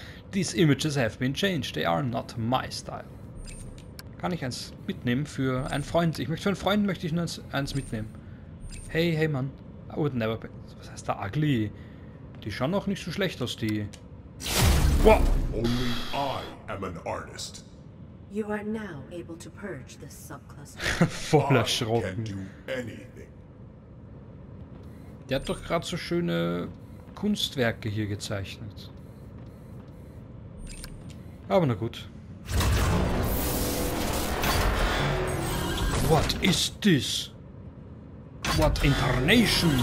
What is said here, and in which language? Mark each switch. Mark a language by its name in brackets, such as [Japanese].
[English] These images have been changed. They are not my style. [German] Kann ich eins mitnehmen für einen Freund? Ich möchte für einen Freund möchte ich nur eins mitnehmen. Hey, hey, Mann. [English] I would never be. [German] Was heißt da ugly? Die schauen auch nicht so schlecht aus, die. [English] What? Only I am an artist. You are now able to purge this subcluster. [German] Voller Schrocken. Der hat doch gerade so schöne Kunstwerke hier gezeichnet. Aber na gut. [English] What is this? What incarnation?